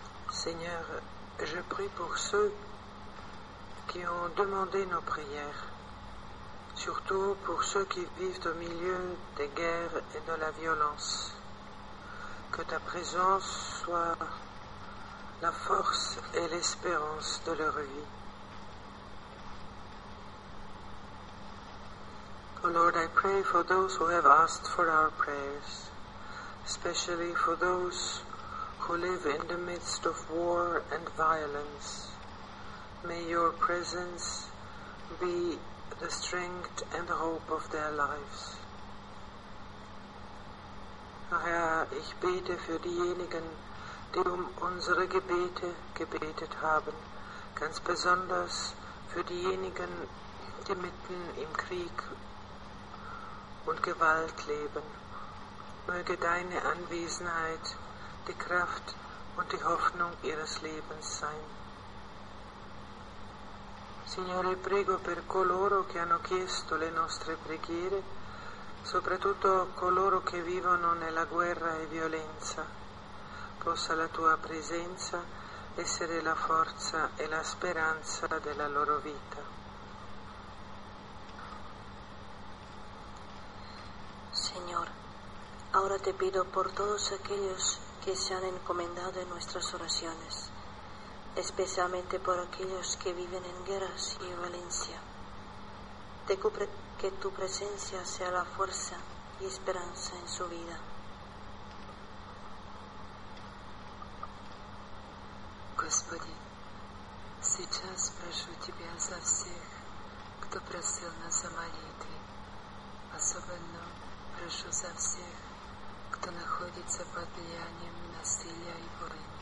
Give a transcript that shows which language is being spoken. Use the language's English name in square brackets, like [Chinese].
[French] Seigneur, je prie pour ceux qui ont demandé nos prières. Surtout pour ceux qui vivent au milieu des guerres et de la violence. Que ta présence soit la force et l'espérance de leur vie. [English] Oh Lord, I pray for those who have asked for our prayers, especially for those who live in the midst of war and violence. May your presence be the strength and hope of their lives. [German] Herr, ich bete für diejenigen, die um unsere Gebete gebetet haben, ganz besonders für diejenigen, die mitten im Krieg und Gewalt leben. Möge deine Anwesenheit die Kraft und die Hoffnung ihres Lebens sein. [Italian] Signore, prego per coloro che hanno chiesto le nostre preghiere, soprattutto coloro che vivono nella guerra e violenza. Possa la tua presenza essere la forza e la speranza della loro vita. [Spanish] Señor, ahora te pido por todos aquellos que se han encomendado en nuestras oraciones. Especialmente por aquellos que viven en guerras y violencia. Te cubre que tu presencia sea la fuerza y esperanza en su vida. [Russian] Господи, сейчас прошу тебя за всех, кто просил нас о молитве. Особенно прошу за всех, кто находится под влиянием насилия и войны.